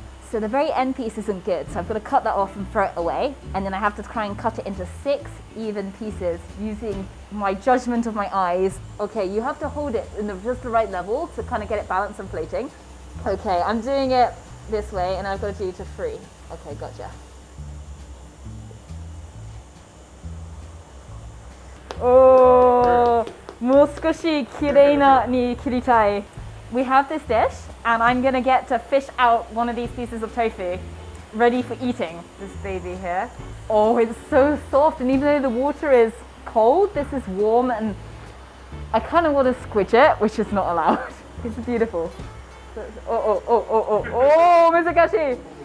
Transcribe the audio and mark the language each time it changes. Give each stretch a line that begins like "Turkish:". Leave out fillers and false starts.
English: So the very end piece isn't good, so I've got to cut that off and throw it away, and then I have to try and cut it into 6 even pieces using my judgment of my eyes. Okay, you have to hold it in just the right level to kind of get it balanced and plating. Okay, I'm doing it this way, and I've got to do 2 to 3. Okay, gotcha.
Japanese: もう少し綺麗なに切りたい。
English: We have this dish, and I'm gonna get to fish out one of these pieces of tofu, ready for eating. This baby here. Oh, it's so soft, and even though the water is cold, this is warm, and I kind of want to squidge it, which is not allowed. It's beautiful. Oh,
Japanese: 難しい!